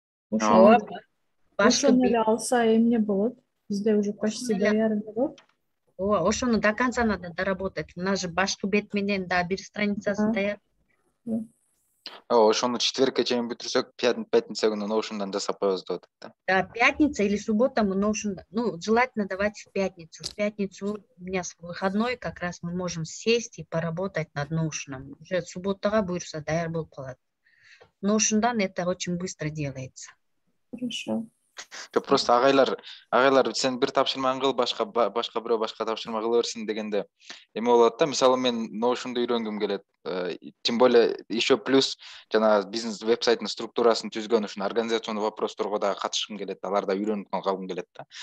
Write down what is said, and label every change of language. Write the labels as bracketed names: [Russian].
[Kyrgyz] Ошону эле алса эмне болот? Бизде уже почти даярында болот. Ооба, ошону [Russian] до конца надо доработать. У нас же [Kyrgyz] башкы бет менен да бир страницасы даяр. Ошону четверг кечен бүтүрсөк, пятница күнү Notion-дан жасапайбыз деп отурат. [Russian] Да, пятница или суббота мы Notion-да. Ну, желательно давать в пятницу. В пятницу у меня выходной, как раз мы можем сесть и поработать над Notion-ом. [Kyrgyz] Уже субботага буйрса даяр болуп калат. Notion-дан [Russian] это очень быстро делается. Хорошо. [Kyrgyz] Жок, просто агайлар, сен бир тапшырма кыл, башка бирөө башка тапшырма кыла берсин дегенде эме болот да. Мисалы мен Notion-ду үйрөнгүм келет. [Russian] Тем более еще плюс [Kyrgyz] жана бизнес вебсайттын структурасын түзгөн үчүн организациялык вопростарга да катышкым келет, алар да үйрөнүп калгым келет да.